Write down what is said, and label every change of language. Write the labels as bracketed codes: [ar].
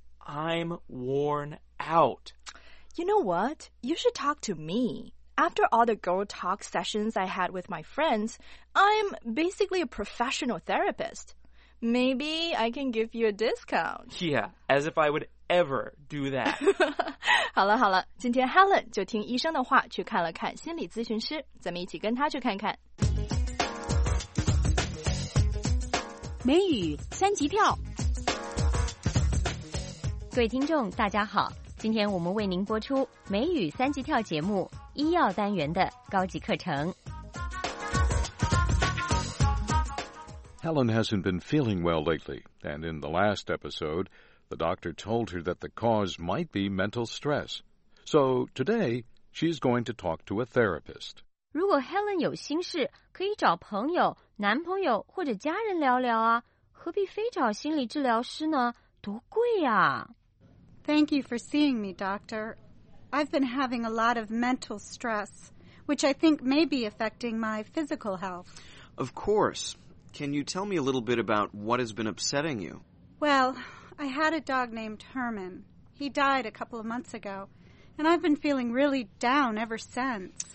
[en] I'm worn out. You know what? You should talk to me. After all the girl talk sessions I had with my friends, I'm basically a professional therapist. Maybe I can give you a discount. Yeah, as if I would ever do that. [zh] 好了好了，今天 Helen 就听医生的话去看了看心理咨询师，咱们一起跟他去看看。美语三级跳。各位听众，大家好，今天我们为您播出美语三级跳节目医药单元的高级课程。 [en] Helen hasn't been feeling well lately, and in the last episode, the doctor told her that the cause might be mental stress. So, today, she's going to talk to a therapist. [zh] 如果 Helen 有心事，可以找朋友、男朋友或者家人聊聊啊，何必非找心理治疗师呢？多贵啊！ [en] Thank you for seeing me, doctor. I've been having a lot of mental stress, which I think may be affecting my physical health. Of course. Can you tell me a little bit about what has been upsetting you? Well, I had a dog named Herman. He died a couple of months ago, and I've been feeling really down ever since.